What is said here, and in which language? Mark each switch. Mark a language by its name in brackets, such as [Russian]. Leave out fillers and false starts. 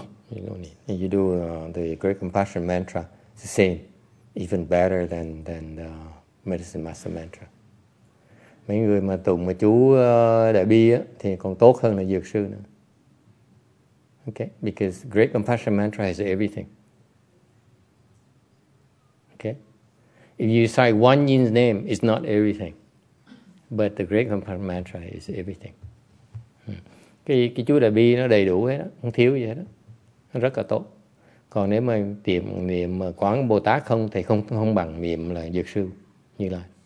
[English] You do the Great Compassion Mantra, it's the same, even better than the Medicine Master Mantra. [Vietnamese] Mấy người mà tụng mà chú Đại Bi á, thì còn tốt hơn là Dược Sư nữa. [English] Okay, because Great Compassion Mantra has everything. Okay, if you say one yin's name, it's not everything. But the Great Compassion Mantra is everything. [Vietnamese] Cái chú Đại Bi nó đầy đủ hết á, không thiếu gì hết á. Rất là tốt. Còn nếu mà tìm niệm quán Bồ Tát không thì không bằng niệm là Dược Sư Như Lai.